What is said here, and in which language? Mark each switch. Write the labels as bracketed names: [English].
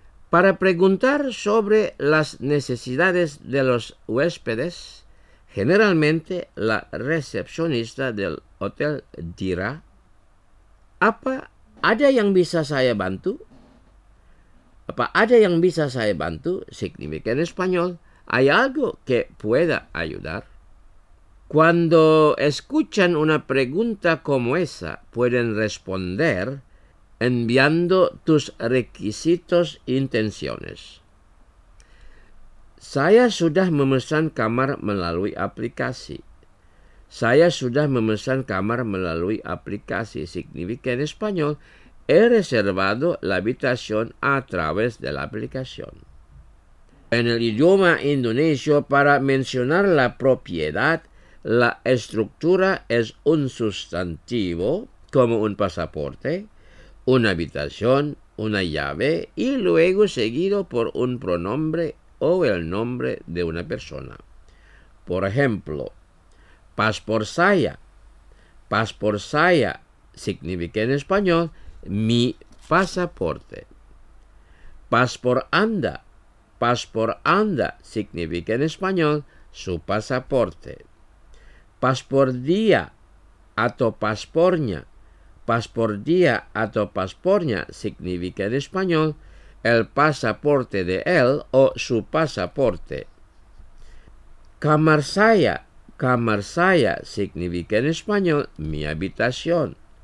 [Spanish] Para preguntar sobre las necesidades de los huéspedes, generalmente la recepcionista del hotel dirá: [Indonesian] ¿Apa ada yang bisa saya bantu? ¿Apa ada yang bisa saya bantu? [Spanish] Significa en español: ¿Hay algo que pueda ayudar? Cuando escuchan una pregunta como esa, pueden responder enviando tus requisitos e intenciones. [Indonesian] Saya sudah memesan kamar melalui aplikasi. Saya sudah memesan kamar melalui aplikasi. [Spanish] Significa en español: he reservado la habitación a través de la aplicación. En el idioma indonesio, para mencionar la propiedad, la estructura es un sustantivo, como un pasaporte, una habitación, una llave, y luego seguido por un pronombre o el nombre de una persona. Por ejemplo, [Indonesian] paspor saya. Paspor saya [Spanish] significa en español mi pasaporte. [Indonesian] Paspor anda. Paspor anda [Spanish] significa en español su pasaporte. [Indonesian] Paspor dia atau paspornya. Paspor dia atau paspornya [Spanish] significa en español el pasaporte de él o su pasaporte. [Indonesian] Kamar saya [Spanish] significa en español mi habitación.